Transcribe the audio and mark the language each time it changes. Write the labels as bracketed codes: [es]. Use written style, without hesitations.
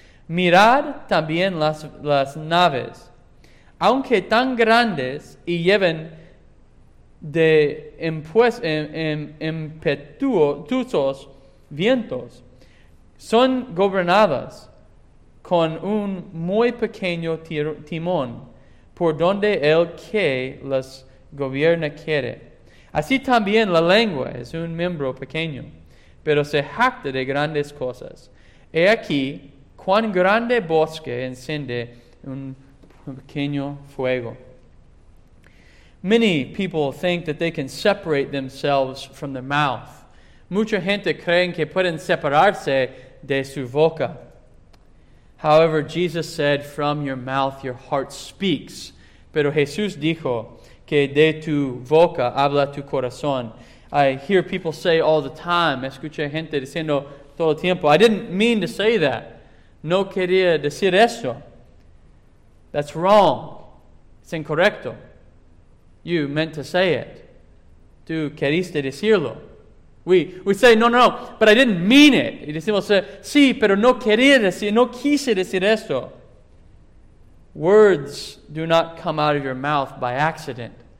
[es] Mirad también las naves, aunque tan grandes y lleven de impetuosos vientos, son gobernadas con un muy pequeño timón, por donde el que las gobierna quiere. Así también la lengua es un miembro pequeño, pero se jacta de grandes cosas. He aquí cuán grande bosque enciende un pequeño fuego. [en] Many people think that they can separate themselves from the mouth. [es] Mucha gente creen que pueden separarse de su boca. [en] However, Jesus said, from your mouth your heart speaks. [es] Pero Jesús dijo que de tu boca habla tu corazón. [en] I hear people say all the time, [es] escucha gente diciendo todo el tiempo, [en] I didn't mean to say that. [es] No quería decir eso. [en] That's wrong. It's [es] incorrecto. [en] You meant to say it. [es] Tú queriste decirlo. [en] We say, no, but I didn't mean it. [es] Y decimos, sí, pero no quería decir, no quise decir esto. [en] Words do not come out of your mouth by accident.